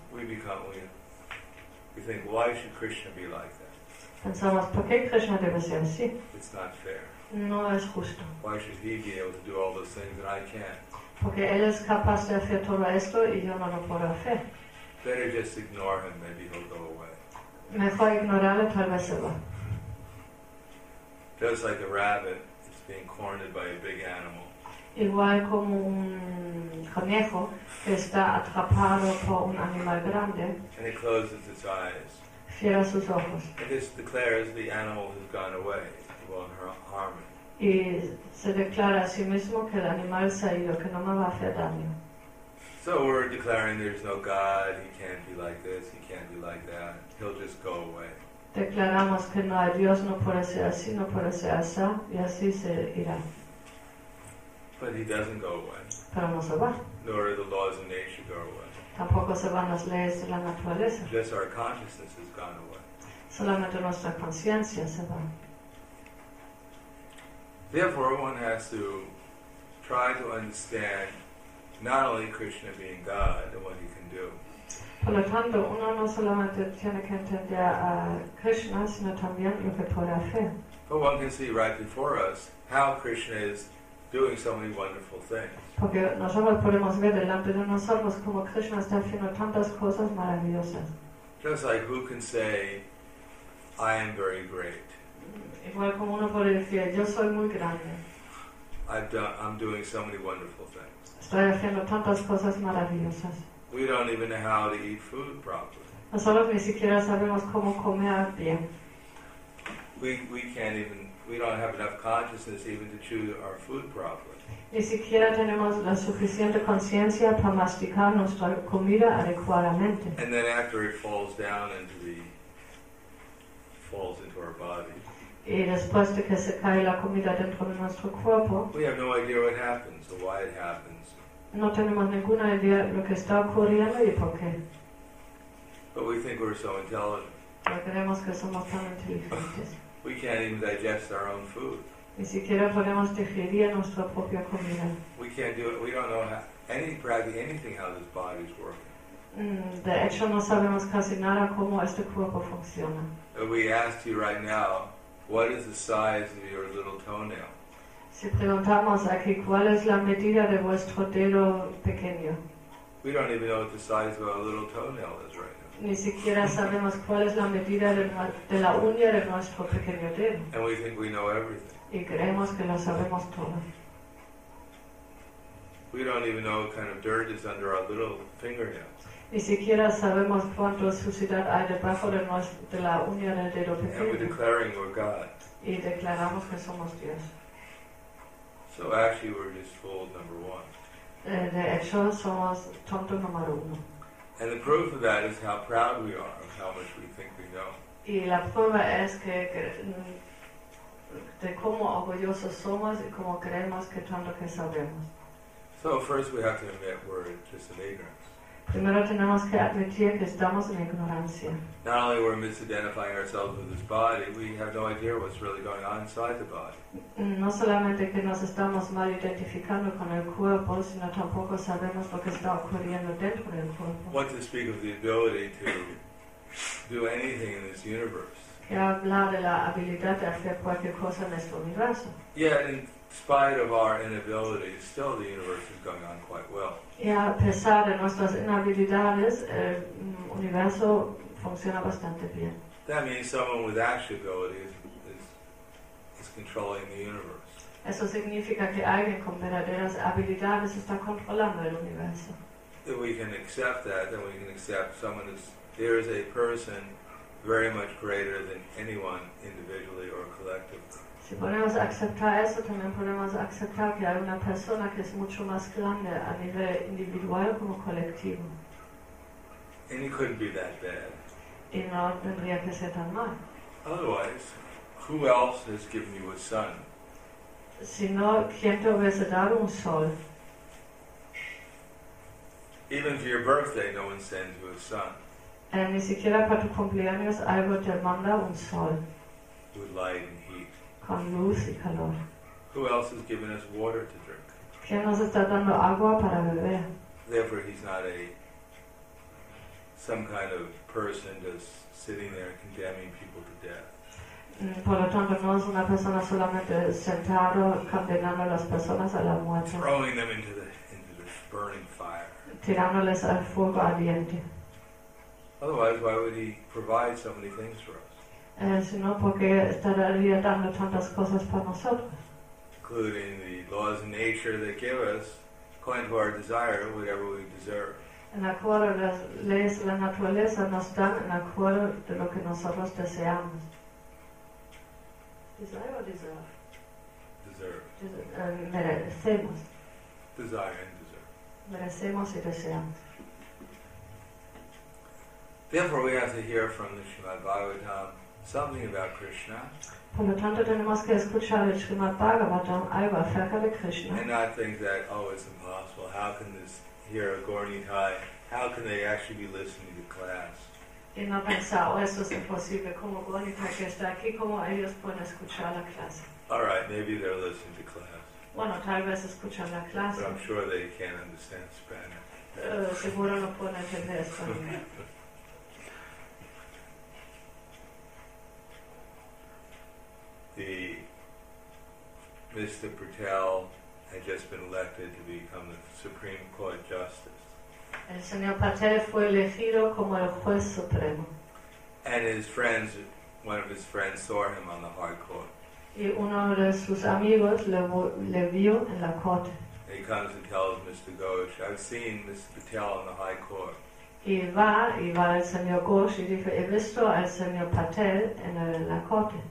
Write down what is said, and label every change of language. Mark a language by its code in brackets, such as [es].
[en] We think, why should Krishna be like that? [es] Pensamos, ¿por qué Krishna debe ser así? [en] It's not fair. [es] No es justo. [en] Why should he be able to do all those things that I can't? [es] Porque él es capaz de hacer todo esto y yo no lo puedo hacer. [en] Better just ignore him, maybe he'll go away. [es] Mejor ignorarlo, tal vez se va. [en] Just like a rabbit. Being cornered by a big animal. [es] Igual como un conejo que está atrapado por un animal grande. [en] And it closes its eyes. [es] Cierra sus ojos. [en] And this declares the animal has gone away. It won't harm it. [es] Y se declara a sí mismo que el animal se ha ido, que no me va a hacer daño. [en] So we're declaring there's no God. He can't be like this. He can't be like that. He'll just go away. [es] Declaramos que no hay Dios, no puede ser así, no puede ser así, y así se irá. [en] But he doesn't go away. [es] Pero no se va. [en] Nor do the laws of nature go away. [es] Tampoco se van las leyes de la naturaleza. [en] Just our consciousness has gone away. [es] Solamente nuestra conciencia se va. [en] Therefore, one has to try to understand not only Krishna being God and what he can do. [es] Por lo tanto, uno no solamente tiene que entender a Krishna, sino también lo que puede hacer. [en] But one can see right before us how Krishna is doing so many wonderful things. [es] Porque nosotros podemos ver delante de nosotros cómo Krishna está haciendo tantas cosas maravillosas. [en] Just like who can say, I am very great. [es] Igual como uno puede decir, yo soy muy grande. [en] I'm doing so many wonderful things. [es] Estoy haciendo tantas cosas maravillosas. [en] We don't even know how to eat food properly. [es] Nosotros ni siquiera sabemos cómo comer bien. [en] We don't have enough consciousness even to chew our food properly. [es] Ni siquiera tenemos la suficiente conciencia para masticar nuestra comida adecuadamente. [en] And then after it falls into our body. [es] Y después de que se cae la comida dentro de nuestro cuerpo. [en] We have no idea what happens or why it happens. [es] No tenemos ninguna idea lo que está ocurriendo y por qué. [en] But we think we're so intelligent. [es] Pero creemos que somos tan inteligentes. [en] We can't even digest our own food. [es] Ni siquiera podemos digerir nuestra propia comida. [en] We can't do it. We don't know practically anything how this body's working. [es] De hecho, no sabemos casi nada cómo este cuerpo funciona. [en] If we asked you right now, what is the size of your little toenail? [es] Si preguntamos aquí, ¿cuál es la medida de vuestro dedo pequeño? [en] We don't even know what the size of our little toenail is right now. [es] Ni siquiera sabemos cuál es la medida de la uña de nuestro pequeño dedo. [en] And we think we know everything. [es] Y creemos que lo sabemos todo. [en] We don't even know what kind of dirt is under our little fingernail. [es] Ni siquiera sabemos cuánto suciedad hay debajo de la uña del dedo pequeño. [en] And we're declaring we're God. [es] Y declaramos que somos Dios. [en] So actually we're just fool number one. [es] De hecho somos tonto número uno. [en] And the proof of that is how proud we are of how much we think we know. [es] Y la prueba es que de cómo orgullosos somos y cómo creemos que tanto que sabemos. [en] So first we have to admit we're just an ignorant. [es] Primero tenemos que admitir que estamos en ignorancia. [en] Not only we're misidentifying ourselves with this body, we have no idea what's really going on inside the body. [es] No solamente que nos estamos mal identificando con el cuerpo, sino tampoco sabemos lo que está ocurriendo dentro del cuerpo. [en] What to speak of the ability to do anything in this universe. [es] Que hablar de la habilidad de hacer cualquier cosa en este universo. [en] Yeah, in spite of our inability, still the universe is going on quite well. [es] Y a pesar de nuestras inhabilidades, el universo funciona bastante bien. [en] That means someone with actuality is controlling the universe. [es] Eso significa que alguien con verdaderas habilidades está controlando el universo. [en] If we can accept that, then we can accept someone as there is a person very much greater than anyone individually or collectively. [es] Si podemos aceptar eso, también podemos aceptar que hay una persona que es mucho más grande a nivel individual como colectivo. [en] And it couldn't be that bad. [es] Y no tendría que ser tan mal. [en] Otherwise, who else has given you a sun? [es] Si no, ¿quién te hubiese dado un sol? [en] Even for your birthday, no one sends you a sun. [es] Ni siquiera para tu cumpleaños algo te manda un sol. [en] With light and heat. [es] Con luz y calor. [en] Who else has given us water to drink? [es] ¿Quién nos está dando agua para beber? [en] Therefore, he's not some kind of person just sitting there condemning people to death. [es] Por lo tanto, no es una persona solamente sentado condenando a las personas a la muerte. [en] Throwing them into the burning fire. [es] Tirándoles al fuego ardiente. [en] Otherwise, why would he provide so many things for us? [es] Sino porque estaría dando tantas cosas para nosotros. [en] Including the laws of nature that give us, according to our desire, whatever we deserve. [es] En acuerdo de las leyes de la naturaleza nos dan en acuerdo de lo que nosotros deseamos. [en] Desire or [es] merecemos. [en] Desire and deserve. [es] Merecemos y deseamos. [en] Therefore, we have to hear from the Srimad Bhagavatam something about Krishna. [es] Por lo tanto, tenemos que escuchar el Srimad Bhagavatam algo acerca de Krishna. [en] And not think that, oh, it's impossible. How can this hear a Gaur Nihai? How can they actually be listening to class? [es] Y no pensaba, oh, eso es imposible, como Bonita que está aquí, como ellos pueden escuchar la clase. [en] All right, maybe they're listening to class. [es] Bueno, tal vez escuchan la clase. [en] But I'm sure they can't understand Spanish. [es] Seguro no pueden entender español. [en] Mr. Patel had just been elected to become the Supreme Court Justice. [es] El señor Patel fue elegido como el juez supremo. [en] And his friends, one of his friends saw him on the hard court. [es] Y uno de sus amigos le vio en la corte. [en] He comes and tells Mr. Ghosh, I've seen Mr. Patel on the high court. [es] Y va el señor Ghosh y dice, he visto al señor Patel en la corte.